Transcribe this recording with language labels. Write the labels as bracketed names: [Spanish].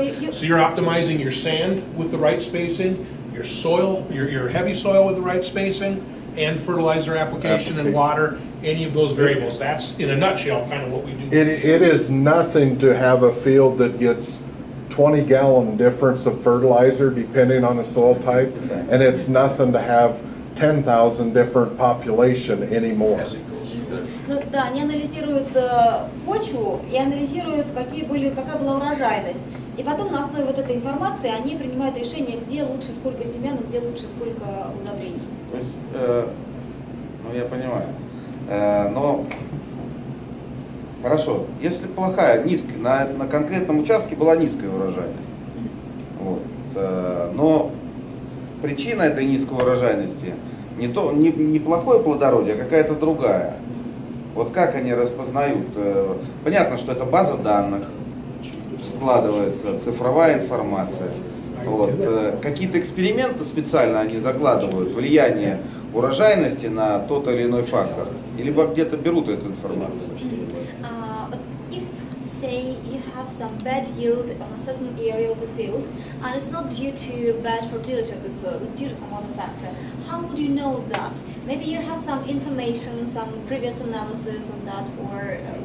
[English] you're optimizing your sand with the right spacing, your soil, your heavy soil with the right spacing, and fertilizer application and water. Any of those variables. That's, in a nutshell, kind of what we do. It is nothing to have a field that gets 20 gallon difference of fertilizer depending on the soil type, and it's nothing to have 10,000 different population anymore. As it goes through. [Russian] Ну, да, они анализируют почву и анализируют, какая была урожайность. И потом на основе вот этой информации они принимают решение, где лучше сколько семян, где лучше сколько удобрений. То есть, я понимаю. Но хорошо, если плохая, низкая, на конкретном участке была низкая урожайность. Вот. Но причина этой низкой урожайности не плохое плодородие, а какая-то другая. Вот как они распознают? Понятно, что это база данных, складывается цифровая информация. Вот. Какие-то эксперименты специально они закладывают, влияние урожайности на тот или иной фактор. Или где-то берут эту информацию. [English] But if, say, you have some bad yield on a certain area of the field, and it's not due to bad fertility of the soil, it's due to some other factor, how would you know that? Maybe you have some information, some previous analysis on that, or...